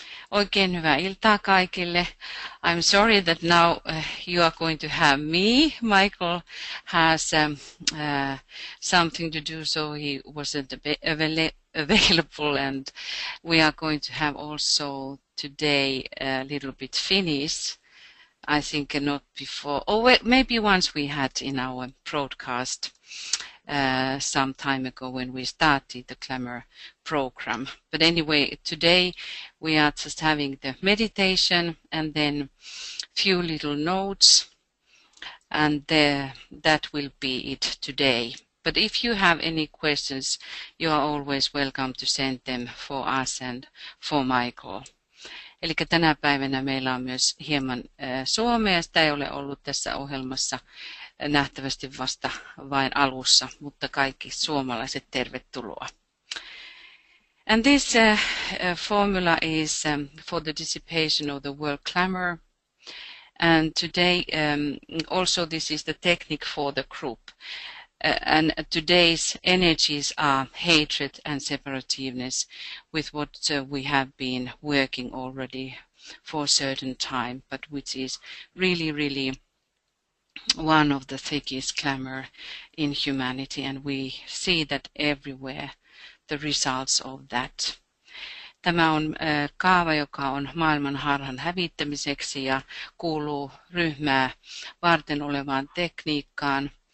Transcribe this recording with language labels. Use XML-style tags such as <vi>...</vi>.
<fi>Oikein hyvää iltaa kaikille.</fi> <en>I'm sorry that now you are going to have me. Michael has something to do, so he wasn't available. And we are going to have also today a little bit Finnish. I think not before, or maybe once we had in our broadcast some time ago when we started the Glamour program. But anyway, today we are just having the meditation and then few little notes, and that will be it today. But if you have any questions, you are always welcome to send them for us and for Michael.</en> <fi>Eli tänä päivänä meillä on myös hieman suomea, sitä ei ole ollut tässä ohjelmassa nähtävästi vasta vain alussa, mutta kaikki suomalaiset tervetuloa.</fi> <en>And this formula is for the dissipation of the world clamor. And today, also this is the technique for the group. And today's energies are hatred and separativeness with what we have been working already for a certain time, but which is really, really one of the thickest clamor in humanity, and we see that everywhere the results of that.</en> <fi>Tämä on kaava, joka on maailman harhan hävittämiseksi ja kuuluu ryhmää varten olevaan tekniikkaan.</fi>